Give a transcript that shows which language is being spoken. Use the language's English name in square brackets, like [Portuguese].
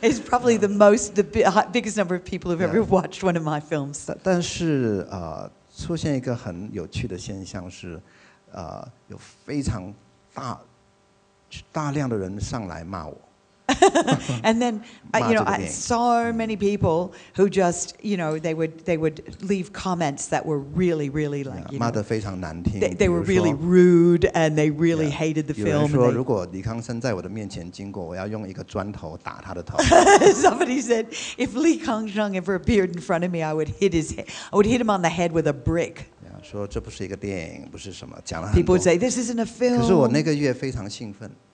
[English] It's probably the most, the biggest number of people who've ever watched one of my films. [Chinese] 但是, 出现一个很有趣的现象是, 有非常大, 大量的人上来骂我。 [English] And then, you know, so many people who just, you know, they would leave comments that were really, really like, you know, they were really rude and they really hated the film. [Chinese] 有人说如果李康生在我的面前经过，我要用一个砖头打他的头。 [English] Somebody said, if Li Kangsheng ever appeared in front of me, I would hit him on the head with a brick. [Chinese] 说这不是一个电影，不是什么，讲了很多。 [English] People would say, this isn't a film. [Chinese] 可是我那个月非常兴奋。